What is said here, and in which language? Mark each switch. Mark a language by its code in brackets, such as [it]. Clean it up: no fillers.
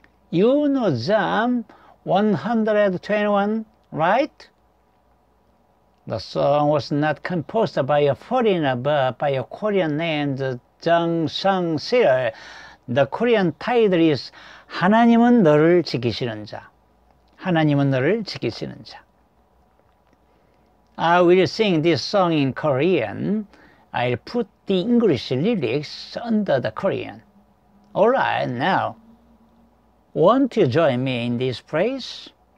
[en] You know Psalm 121, right? The song was not composed by a foreigner, but by a Korean named jun-soo. The Korean title is [ko] 하나님은 너를 지키시는 자. 하나님은 너를 지키시는 자. [en] I will sing this song in Korean. I'll put the English lyrics under the Korean. All right, now, won't you join me in this praise?